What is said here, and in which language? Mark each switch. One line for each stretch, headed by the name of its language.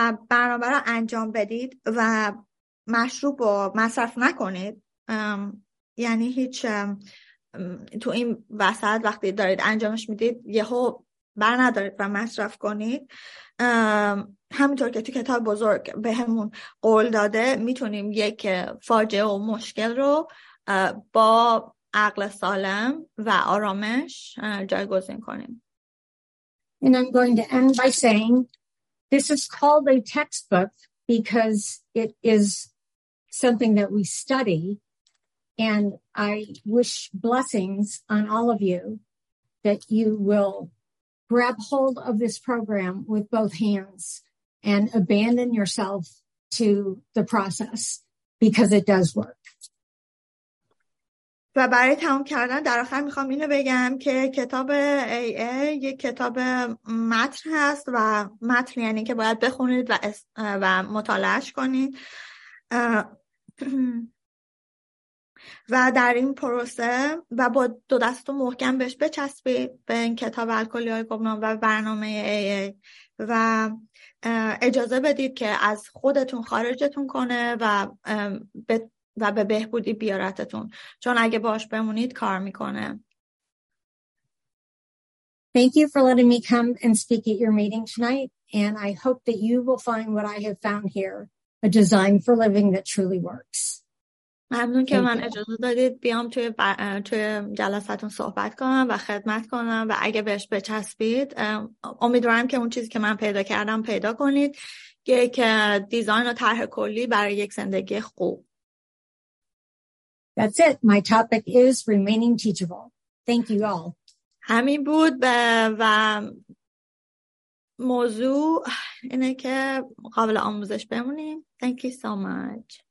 Persian: برنامه را انجام بدید و مشروب رو مصرف نکنید، یعنی هیچ تو این وسط وقتی دارید انجامش میدید یهو بر ندارید و مصرف کنید، همینطور که تو کتاب بزرگ به همون قول داده، میتونیم یک فاجعه و مشکل رو با عقل سالم و آرامش جایگزین کنیم.
English: And I'm going to end by saying this is called a textbook because it is something that we study, and I wish blessings on all of you that you will grab hold of this program with both hands and abandon yourself to the process because it does work.
Persian: و برای تمام کردن در آخر میخوام اینو بگم که کتاب AA یک کتاب متن هست و متن یعنی که باید بخونید و مطالعهش کنید و در این پروسه و با دو دستو محکم بهش بچسبید به این کتاب الکلی‌های گمنام و برنامه AA و اجازه بدید که از خودتون خارجتون کنه و به بهبودی بیارتتون، چون اگه باش بمونید کار میکنه.
English: Thank you for letting me come and speak at your meeting tonight, and I hope that you will find what I have found here, a design for living that truly works.
Persian: ممنون که من اجازه دادید بیام توی جلسه‌تون صحبت کنم و خدمت کنم و اگه بهش بچسبید امیدوارم که اون چیزی که من پیدا کردم پیدا کنید که دیزاین و طرح کلی برای یک زندگی خوب.
English: That's it. My topic is remaining teachable. Thank you all.
Persian: همین بود و موضوع اینه که قابل آموزش بمونیم.
English: Thank you so much.